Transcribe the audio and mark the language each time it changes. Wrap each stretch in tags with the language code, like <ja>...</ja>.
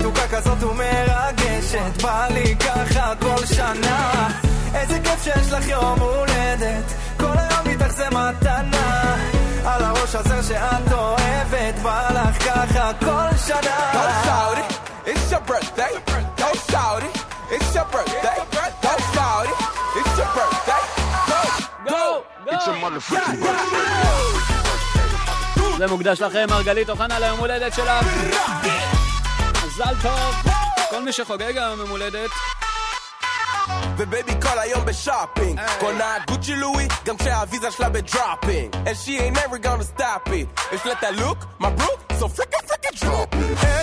<he>כזאת ומרגשת בא לי ככה כל שנה איזה כיף שיש לך יום הולדת כל היום איתך זה מתנה על הראש הזה שאת אוהבת בא לך ככה כל שנה</he> <en>Don't shout it, it's your birthday Don't shout it, it's your birthday Don't shout it, it's your birthday Go! It's your motherfucking birthday</en> <he>זה מוקדש לכם מרגלית אוחנה ליום הולדת שלך כל מי שחוגג היום ממולדת ובייבי כל היום בשופינג קונה את גוצ'י לואי גם כשהוויזה שלה בדרופינג</he> <en>and she ain't never gonna stop it</en> <he>יש לה את הלוק, מברוק,</he> <en>so freak it, freak it, drop it</en>